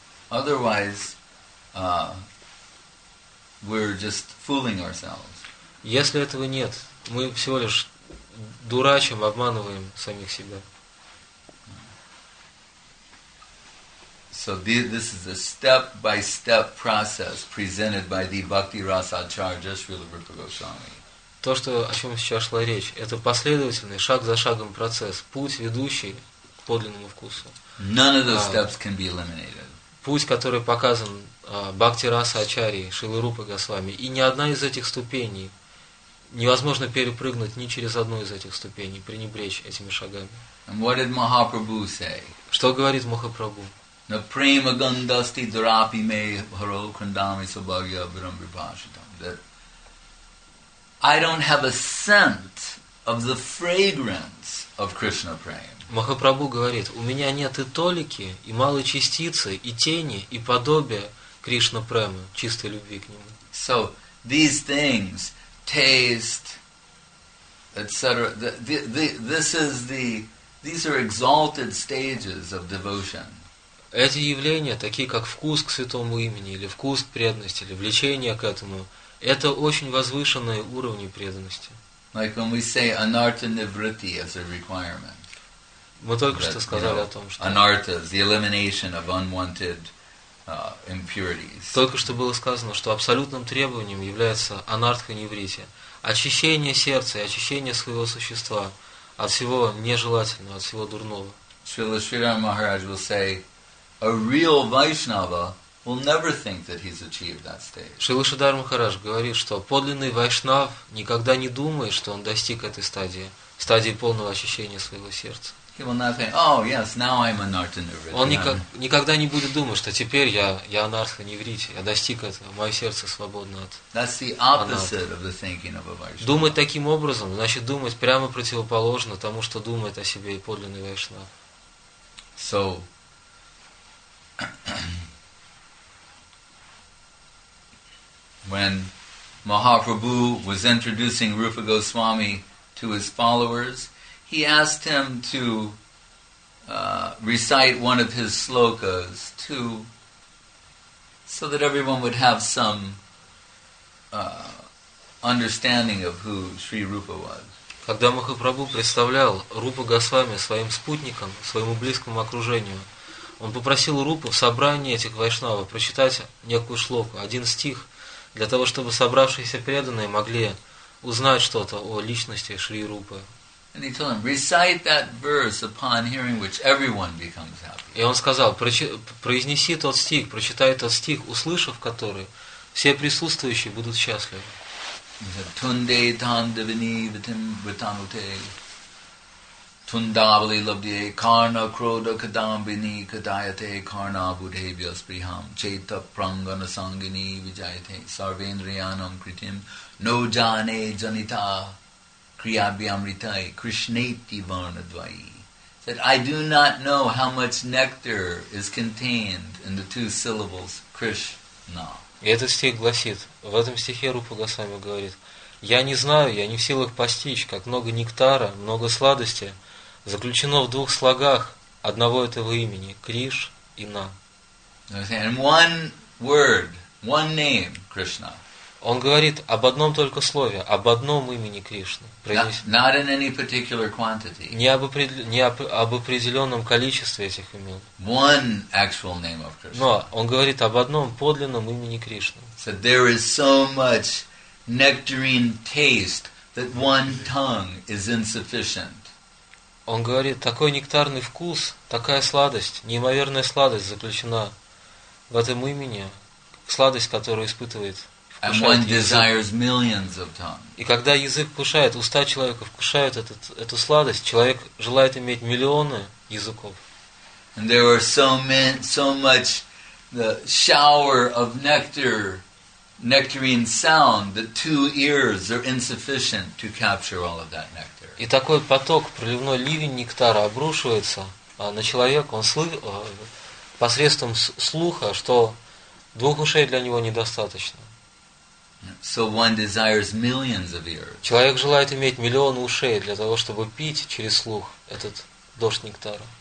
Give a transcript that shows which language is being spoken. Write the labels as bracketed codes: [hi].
[en] Otherwise, we're just fooling ourselves. [ru] Если этого нет, мы всего лишь дурачим, обманываем самих себя. [en] So this is a step-by-step process presented by the Bhakti Rasa Acharya Srila Rupa Goswami. [ru] То, что о чем сейчас шла речь, это последовательный шаг за шагом процесс, путь ведущий к подлинному вкусу. [en] None of those steps can be eliminated. [ru] Путь, который показан Бхакти Раса Ачарьи, Шрилы Рупы Госвами. И ни одна из этих ступеней невозможно перепрыгнуть ни через одну из этих ступеней, пренебречь этими шагами. [en] And what did Mahaprabhu say? [ru] Что говорит Махапрабху? [sa] На према гандасти дурапи мей харо крандами сабагья бирам брибашитам. [en] That I don't have a scent of the fragrance of Krishna prema. [ru] Махапрабху говорит, у меня нет и толики, и малой частицы, и тени, и подобия Кришна Премы, чистой любви к Нему. [en] So, these things, taste, etc., these are exalted stages of devotion. [ru] Эти явления, такие как вкус к святому имени, или вкус к преданности, или влечение к этому, это очень возвышенные уровни преданности. [en] Like when we say anartha nivritti as a requirement. [ru] Мы только что сказали о том, что [en] anartha, the elimination of unwanted impurities. [ru] Только что было сказано, что абсолютным требованием является анартха нивритти, очищение сердца и очищение своего существа от всего нежелательного, от всего дурного. [en] Srila Sridhar Maharaj will say, a real Vaishnava will never think that he's achieved that stage. [ru] Srila Sridhar Maharaj говорит, что подлинный вайшнав никогда не думает, что он достиг этой стадии, стадии полного очищения своего сердца. [en] He will not think, oh yes, now I'm anartha nivritti. [ru] Он никогда не будет думать, что теперь я анартха нивритти, я достиг этого, мое сердце свободно от. [en] That's the opposite of the thinking of a Vaishnava. [ru] Думать таким образом, значит думать прямо противоположно тому, что думает о себе и подлинный вайшнав. [en] So when Mahaprabhu was introducing Rupa Goswami to his followers, he asked him to recite one of his slokas to, so that everyone would have some understanding of who Sri Rupa was. [ru] Когда Махапрабху представлял Рупа Госвами своим спутникам, своему близкому окружению, он попросил Рупу в собрании этих вайшнавов прочитать некую шлоку, один стих, для того, чтобы собравшиеся преданные могли узнать что-то о личности Шри Рупы. [en] And he told him, recite that verse upon hearing which everyone becomes happy. [ru] И он сказал, произнеси тот стих, прочитай тот стих, услышав который, все присутствующие будут счастливы. [en] He said, [sa] Tunde tan devini vitim vitanute. Tundavali labdhye karna krodha kadambini kadayate karna budhebhya spriham. Cheta prangana sangini vijayate sarvendriyanam kritim. No jane janita. Kriyabhyamritai, Krishneti Varnadvai. [en] Said, I do not know how much nectar is contained in the two syllables Krishna. [ru] И этот стих гласит, в этом стихе Рупа Госвами говорит, я не знаю, я не в силах постичь, как много нектара, много сладости заключено в двух слогах одного этого имени, Криш и На. [en] And one word, one name, Krishna. [ru] Он говорит об одном только слове, об одном имени Кришны. [en] Not in any particular quantity. [ru] Не об определенном количестве этих имен. [en] One actual name of Krishna. [ru] Но он говорит об одном подлинном имени Кришны. [en] So there is so much nectarine taste that one tongue is insufficient. [ru] Он говорит, такой нектарный вкус, такая сладость, неимоверная сладость заключена в этом имени, сладость, которую испытывает. [en] And one desires millions of tongues. [ru] И когда язык кушает, уста человека вкушают эту сладость, человек желает иметь миллионы языков. [en] And there are so much the shower of nectarine sound that two ears are insufficient to capture all of that nectar. [ru] И такой поток, проливной ливень нектара обрушивается на человека, он слышит посредством слуха, что двух ушей для него недостаточно. [en] So one desires millions of ears. [ru] Человек желает иметь миллион ушей для того, чтобы пить через слух этот дождь нектара.